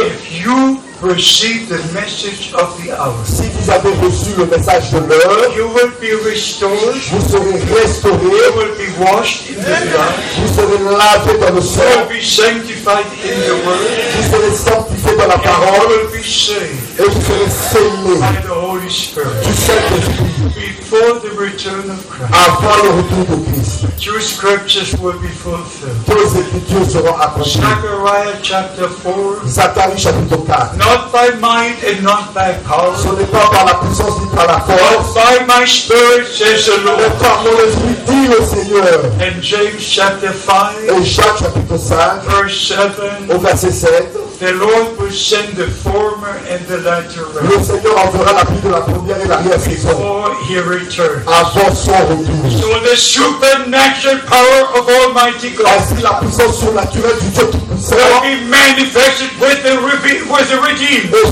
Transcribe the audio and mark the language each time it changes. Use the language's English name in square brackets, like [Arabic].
[English] If you receive the message of the hour, [French] si vous avez reçu le message de l'heure, [English] you will be restored. [French] Vous serez restauré. [English] You will be washed in the blood. [French] Vous serez lavé dans le sang. [English] You will be sanctified in the word. [French] Vous serez sanctifié dans la [English] and [French] parole. [English] You will be saved. [French] Et vous serez scellé [English] by the Holy Spirit. [French] Du Saint-Esprit. [English] Before the return of Christ. [French] Avant le retour de Christ. [English] Two scriptures will be fulfilled. [French] Deux écritures seront accomplies. [English] Zechariah chapter 4. [French] Zacharie chapitre 4. [English] Not by might and not by power. [French] Ce n'est pas par la puissance ni par la force. [English] But by my spirit, says the Lord. [French] Mais par mon esprit, dit le Seigneur. [English] And James chapter 5. [French] Et Jean chapitre 5. [English] Verse 7. [French] Au verset 7. [English] The Lord will send the former and the latter rain. [French] Le Seigneur enverra la pluie de la première et l'arrière saison. [English] Before he returns. [French] Avant son retour. [English] So the supernatural power of Almighty God. [French] Ainsi la puissance surnaturelle du Dieu tout puissant. [English] Will be manifested with the redeemed.